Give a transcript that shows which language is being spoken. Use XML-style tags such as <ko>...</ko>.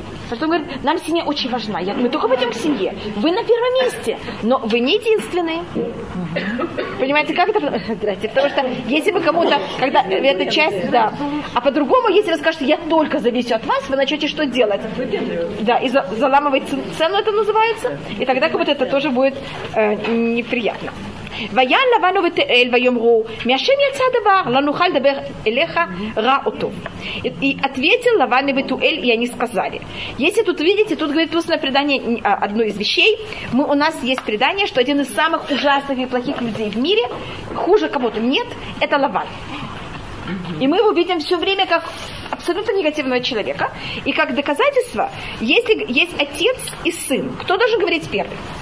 <ru>Потом говорит, нам семья очень важна. Я говорю, мы только пойдем к семье. Вы на первом месте, но вы не единственные. Понимаете, как это? Потому что если бы кому-то, когда эта часть, да. А по-другому, если вы скажете, я только завишу от вас, вы начнете что делать? Да, и заламывать цену это называется. И тогда как будто это тоже будет неприятно.</ru> <he>ויען לבנו ותאל ויאמרו מהשם יצא הדבר לא נוכל לדבר אליך רע אותו</he> <ru>и ответил Лаван и Бетуэль и они сказали. Если тут видите, тут говорит устное предание, одно из вещей, мы, у нас есть предание, что один из самых ужасных и плохих людей в мире, хуже кого-то нет, это Лаван. И мы его видим все время как абсолютно негативного человека. И как доказательство, если есть отец и сын, кто должен говорить первый?</ru>